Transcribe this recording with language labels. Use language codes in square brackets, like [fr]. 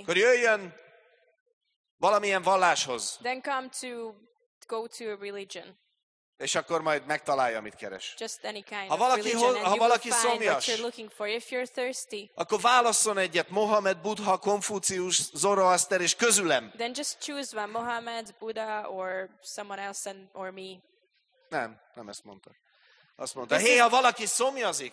[hu] akkor jöjjön valamilyen valláshoz, [en] then come to go to a religion, [hu] és akkor majd megtalálja, amit keres. [en] Just any kind [hu] ha valaki, [en] of religion, [hu] ha valaki szomjas, [en] for, [hu] akkor válasszon egyet, Mohamed, Buddha, Konfúcius, Zoroaster és közülem. [en] Then just choose one, Mohamed, Buddha, or someone else, and, or me. [hu] Nem ezt mondta. Azt mondta, hé, ha valaki szomjazik,